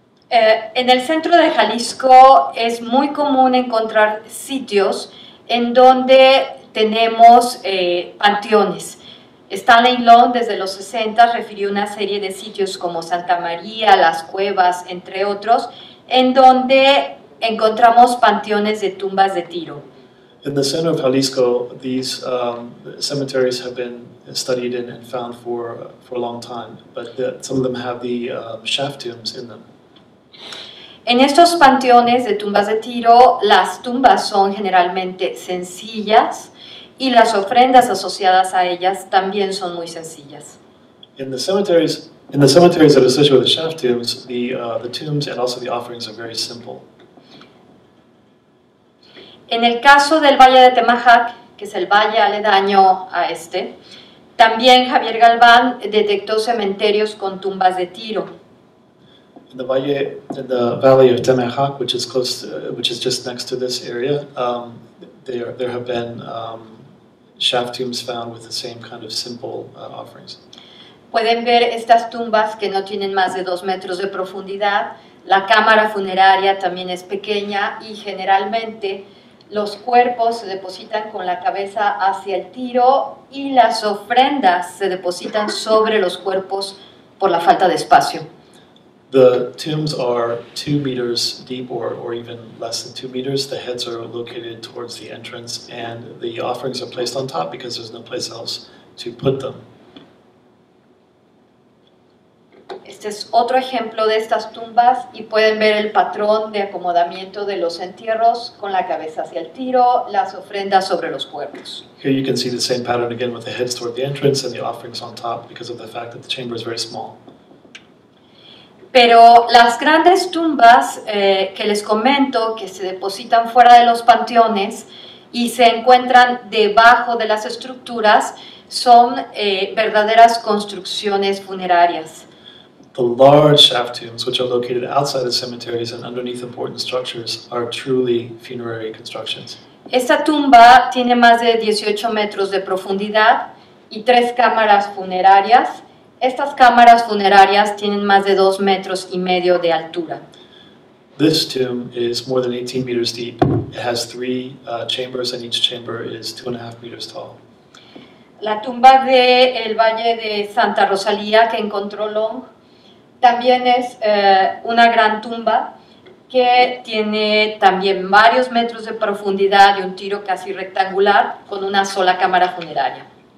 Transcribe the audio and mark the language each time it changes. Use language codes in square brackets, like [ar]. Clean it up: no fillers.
[es] En el centro de Jalisco es muy común encontrar sitios en donde tenemos panteones. Stanley Long, desde los 60, refirió una serie de sitios como Santa María, Las Cuevas, entre otros, en donde encontramos panteones de tumbas de Tiro. [en] In the center of Jalisco, these cemeteries have been studied and found for a long time, but some of them have the shaft tombs in them. [es] En estos panteones de tumbas de Tiro, las tumbas son generalmente sencillas y las ofrendas asociadas a ellas también son muy sencillas. [en] In the cemeteries that are associated with the shaft tombs, the tombs and also the offerings are very simple. [es] En el caso del Valle de Temajac, que es el valle aledaño a este, también Javier Galván detectó cementerios con tumbas de Tiro. [en] In the valley of Temajac, which is just next to this area, there have been shaft tombs found with the same kind of simple offerings. [es] Pueden ver estas tumbas que no tienen más de 2 metros de profundidad. La cámara funeraria también es pequeña y generalmente los cuerpos se depositan con la cabeza hacia el Tiro y las ofrendas se depositan sobre los cuerpos por la falta de espacio. [en] The tombs are 2 meters deep or even less than 2 meters. The heads are located towards the entrance and the offerings are placed on top because there's no place else to put them. [es] Este es otro ejemplo de estas tumbas y pueden ver el patrón de acomodamiento de los entierros con la cabeza hacia el Tiro, las ofrendas sobre los cuerpos. [en] Here you can see the same pattern again with the heads toward the entrance and the offerings on top because of the fact that the chamber is very small. [es] Pero las grandes tumbas que les comento, que se depositan fuera de los panteones y se encuentran debajo de las estructuras, son verdaderas construcciones funerarias. [en] The large shaft tombs, which are located outside the cemeteries and underneath important structures, are truly funerary constructions. [es] Esta tumba tiene más de 18 metros de profundidad y 3 cámaras funerarias, Estas cámaras funerarias tienen más de 2.5 meters de altura. [en] This tomb is more than 18 meters deep. It has three chambers, and each chamber is 2.5 meters tall. [es] La tumba de el Valle de Santa Rosalía que encontró Long también es una gran tumba que tiene también varios metros de profundidad y un tiro casi rectangular con una sola cámara funeraria.